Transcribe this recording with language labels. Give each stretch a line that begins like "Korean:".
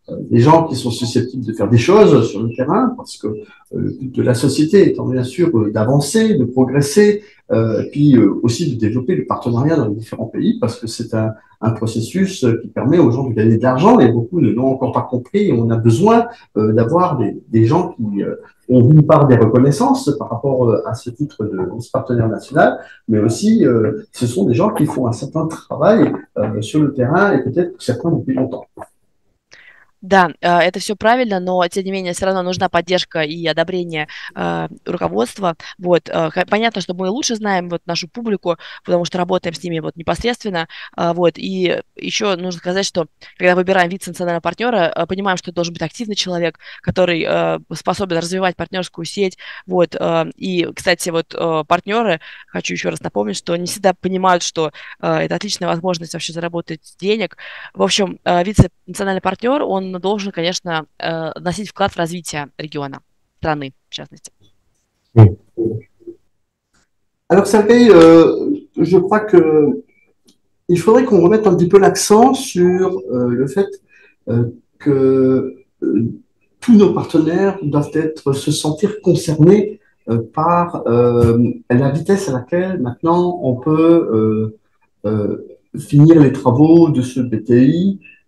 French: les gens qui sont susceptibles de faire des choses sur le terrain, parce que le but de la société étant bien sûr d'avancer, de progresser, puis aussi de développer le partenariat dans les différents pays, parce que c'est un processus qui permet aux gens de gagner de l'argent, et beaucoup ne l'ont encore pas compris. On a besoin d'avoir des gens qui ont d'une part des reconnaissances par rapport à ce titre de ce partenaire national, mais aussi ce sont des gens qui font un certain travail sur le terrain, et peut-être pour certains depuis longtemps.
Russian: Да, это все правильно, но тем не менее все равно нужна поддержка и одобрение руководства. Вот, понятно, что мы лучше знаем вот нашу публику, потому что работаем с ними вот непосредственно. Вот, и еще нужно сказать, что когда выбираем вице-национального партнера, понимаем, что это должен быть активный человек, который способен развивать партнерскую сеть. Вот, и, кстати, вот партнеры, хочу еще раз напомнить, что не всегда понимают, что это отличная возможность вообще заработать денег. В общем, вице-национальный партнер, он должен, конечно, вносить вклад в развитие региона, страны, в частности.
French: Alors, Sergei, je crois que il faudrait qu'on remette un petit peu l'accent sur le fait que tous nos partenaires doivent être se sentir concernés par la vitesse à laquelle maintenant on peut finir les travaux de ce BTI.